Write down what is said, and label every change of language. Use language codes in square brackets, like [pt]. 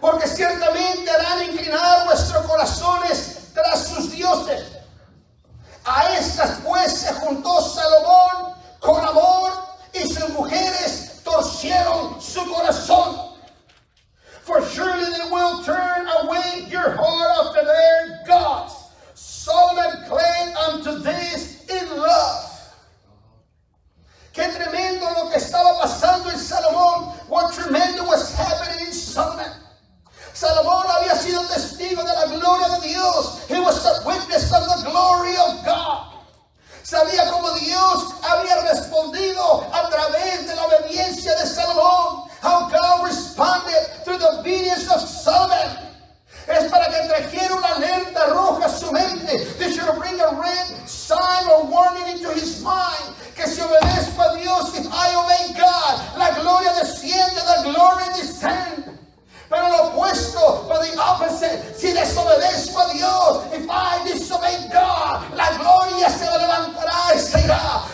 [es] Porque ciertamente harán inclinar vuestros corazones tras sus dioses. A estas pues se juntó Salomón con amor, y sus mujeres torcieron su corazón. [en] For surely they will turn away your heart after their gods. Solomon claimed unto this in love. [es] Qué tremendo lo que estaba pasando en Salomón. [en] What tremendous was happening in Solomon. [es] Salomón había sido testigo de la gloria de Dios. [en] He was a witness of the glory of God. [es] Sabía cómo Dios había respondido a través de la obediencia de Salomón. [en] How God responded through the obedience of Solomon. [es] Es para que trajera una alerta roja a su mente. [en] They should bring a red sign or warning into his mind. [es] Que si obedezco a Dios, [en] if I obey God, [es] la gloria desciende, [en] the glory descend. [es] Pero lo opuesto, [en] but the opposite, [es] si desobedezco a Dios, [en] if I disobey God, [es] la gloria se levantará y se irá.